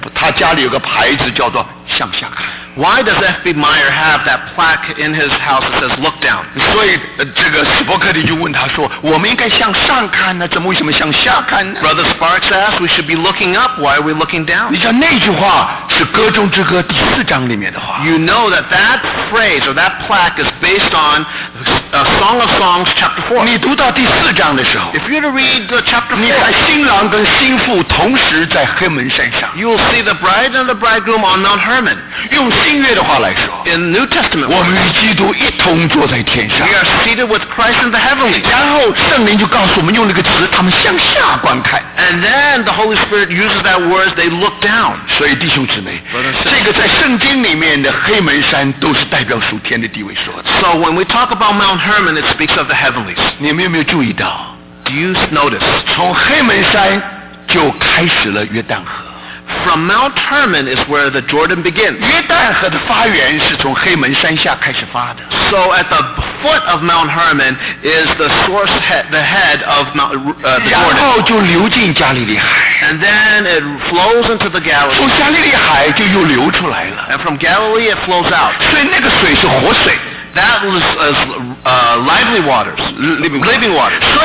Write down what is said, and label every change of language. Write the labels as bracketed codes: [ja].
[zh] 你知道F.B. Meyer为什么有一次，为什么他在这个他家里有个牌子叫做向下看。 [en] Why does F.B. Meyer have that plaque in his house that says, look down? [zh] 所以这个斯伯克利就问他说，我们应该向上看呢，怎么为什么向下看呢？ [en] Brother Sparks asked, we should be looking up, why are we looking down? [zh] 你知道那句话是歌中之歌第四章里面的话。 [en] You know that phrase or that plaque is based on Song of Songs chapter 4. [zh] 你读到第四章的时候， [en] If you were to read the chapter 4, [zh] 你看新郎跟新妇同时在黑门山上。 [en] You will see the bride and the bridegroom on Mount Hermon. [zh] 用新约的话来说， [en] In New Testament, [zh] 我们与基督一同坐在天上。 [en] We are seated with Christ in the heavenlies. [zh] 然后圣灵就告诉我们用那个词，他们向下观看。 [en] And then the Holy Spirit uses that word, they look down. [zh] 所以弟兄姊妹， 这个在圣经里面的黑门山都是代表属天的地位说的。 [en] So when we talk about Mount Hermon, it speaks of the heavenlies. [zh] 你们有没有注意到？ [en] Do you notice? [zh] 从黑门山就开始了约旦河。 [en] From Mount Hermon is where the Jordan begins. [zh] 约旦河的发源是从黑门山下开始发的。 [en] So at the foot of Mount Hermon is the source head, the head of the Jordan. [zh] 然后就流进加利利海。 [en] And then it flows into the Galilee. [zh] 从加利利海就又流出来了。 [en] And from Galilee it flows out. [zh] 所以那个水是活水。 [en] That was lively waters, living waters.